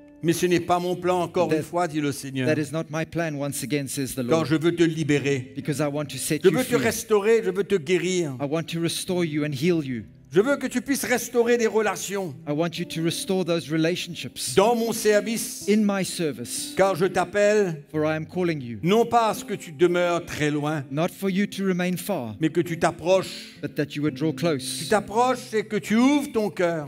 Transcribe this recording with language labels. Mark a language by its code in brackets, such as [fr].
[fr] Mais ce n'est pas mon plan encore une fois, dit le Seigneur. [en] That is not my plan once again, says the Lord. [fr] Quand je veux te libérer. [en] Because I want to set you free. [fr] Je veux te restaurer, je veux te guérir. [en] I want to restore you and heal you. [fr] Je veux que tu puisses restaurer des relations. [en] I want you to restore those relationships. [fr] Dans mon service. [en] In my service. [fr] Car je t'appelle. [en] For I am calling you. [fr] Non pas à ce que tu demeures très loin. [en] Not for you to remain far. [fr] Mais que tu t'approches. [en] But that you would draw close. [fr] Tu t'approches et que tu ouvres ton cœur.